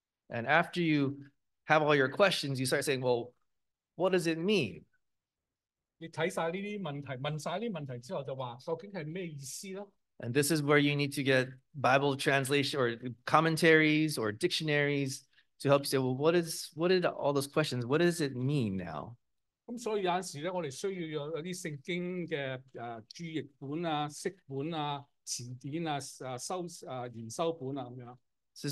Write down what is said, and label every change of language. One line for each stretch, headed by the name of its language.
English: And after you have all your questions, you start saying, well, what does it mean?
Chinese: 你看完这些问题，问完这些问题之后就说，究竟是什么意思呢？
English: And this is where you need to get Bible translation or commentaries or dictionaries to help you say, well, what are all those questions? What does it mean now? So this